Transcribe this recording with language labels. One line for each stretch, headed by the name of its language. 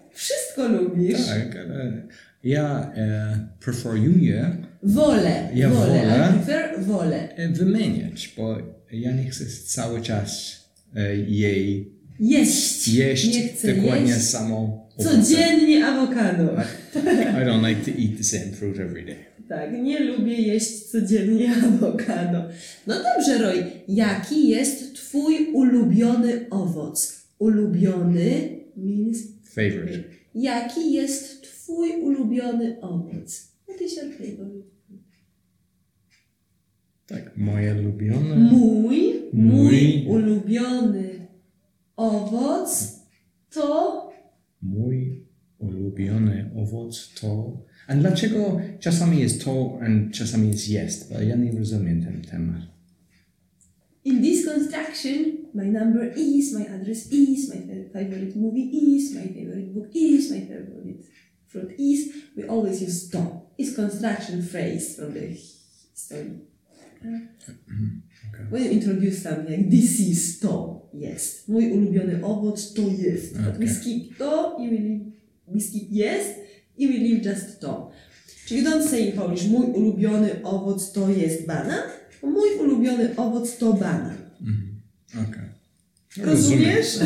Polish: Wszystko lubisz? Tak, ale ja preferuję... Wolę. Ja wolę.
English: I prefer
Polish: wolę. Wymieniać, bo ja nie chcę cały czas jej jeść. Jeść nie chcę dokładnie jeść. Samo owoce. Codziennie awokado.
English: I don't like to eat the same fruit every day.
Polish: Tak, nie lubię jeść codziennie awokado. No dobrze, Roy. Jaki jest twój ulubiony owoc?
English: Ulubiony means... Favorite.
Polish: Jaki jest twój ulubiony owoc?
English: What is your favorite?
Polish: Tak, moje ulubione... Mój ulubiony owoc to... Mój ulubiony owoc to... A dlaczego czasami jest to, a czasami jest? Bo ja nie rozumiem ten temat.
English: In this construction, my number is, my address is, my favorite movie is, my favorite book is, my favorite fruit is. We always use to. It's construction phrase from the story. Okay. When you introduce something like this is to, yes.
Polish: Mój ulubiony owoc to jest.
English: Okay. But we skip to, we skip yes, and we leave just to. So you don't say in Polish,
Polish: mój ulubiony owoc to jest banan. Mój ulubiony owoc to banan. Mm-hmm. Okej. Okay. Rozumiesz?